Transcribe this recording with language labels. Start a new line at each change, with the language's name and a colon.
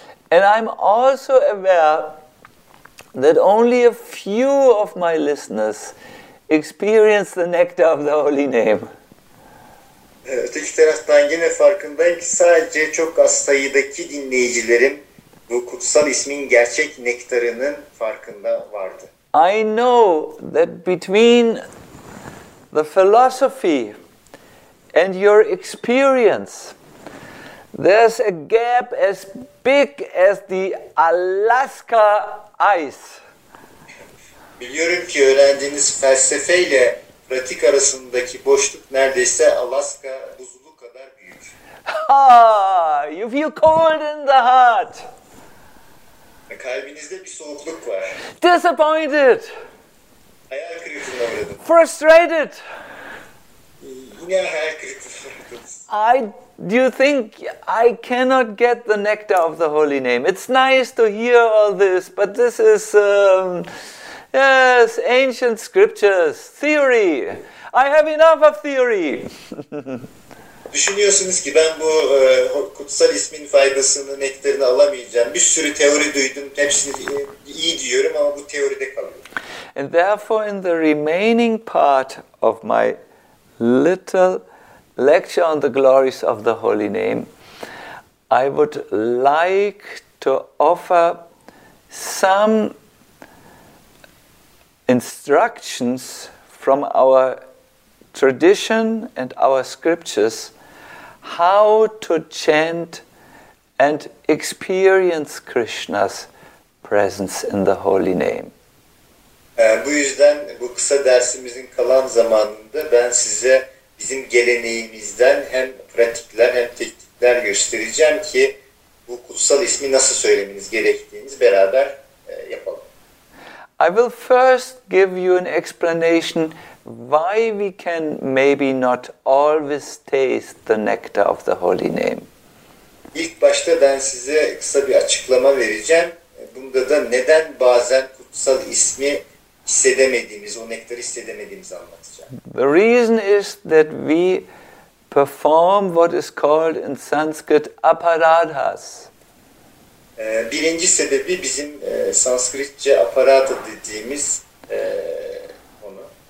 English: And I'm also aware that only a few of my listeners experience the nectar of the holy name.
Turkish: Öteki taraftan yine farkındayım ki sadece çok az sayıdaki dinleyicilerim bu kutsal ismin gerçek nektarının farkında vardı.
English: I know that between the philosophy and your experience, there's a gap as big as the Alaska ice.
Turkish: Biliyorum ki öğrendiğiniz felsefe ile pratik arasındaki boşluk neredeyse Alaska buzulu kadar büyük.
English: Ha, you feel cold in the heart.
Turkish: Kalbinizde bir soğukluk var.
English: Disappointed.
Turkish: Hayal kırıklığına uğradım.
English: Frustrated.
Turkish: Yine hayal kırıklığına uğradım.
English: Do you think I cannot get the nectar of the holy name? It's nice to hear all this, but this is, yes, ancient scriptures, theory. I have enough of theory.
Turkish: Düşünüyorsunuz ki ben bu kutsal ismin faydasını, nektarını alamayacağım. Bir sürü teori duydum, hepsini iyi diyorum ama bu teoride kalıyorum.
English: And therefore in the remaining part of my little lecture on the glories of the holy name, I would like to offer some instructions from our tradition and our scriptures how to chant and experience Krishna's presence in the holy name.
Turkish: Bu yüzden bu kısa dersimizin kalan zamanında ben size bizim geleneğimizden hem pratikler hem teknikler göstereceğim ki bu kutsal ismi nasıl söylemeniz gerektiğini beraber yapalım.
English: I will first give you an explanation why we can maybe not always taste the nectar of the holy name.
Turkish: İlk başta ben size kısa bir açıklama vereceğim. Bunda da neden bazen kutsal ismi hissedemediğimiz, o nektarı hissedemediğimiz anlatacağım.
English: The reason is that we perform what is called in Sanskrit aparadhas.
Turkish: Birinci sebebi bizim Sanskritçe aparadha dediğimiz onu.